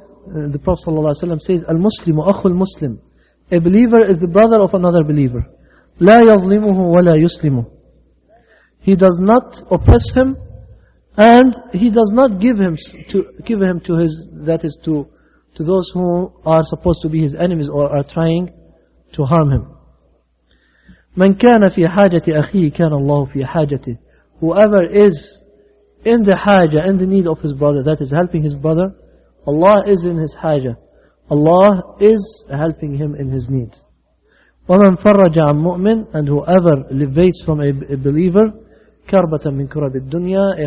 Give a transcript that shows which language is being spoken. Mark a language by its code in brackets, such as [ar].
[en] The Prophet ﷺ says, [ar] Al-Muslimu akhu al-Muslim. [en] A believer is the brother of another believer. [ar] لا يظلمه ولا يسلمه. [en] He does not oppress him, and he does not give him to those who are supposed to be his enemies or are trying to harm him. [ar] من كان في حاجة أخيه كان الله في حاجته. [en] Whoever is in the haja, in the need of his brother, that is helping his brother, Allah is in his haja. Allah is helping him in his need. [ar] وَمَنْ فَرَّجَ عَمْ مُؤْمِنْ. [en] And whoever levates from a believer, [ar] كَرْبَةً مِنْ كُرَبِ الدُّنْيَا.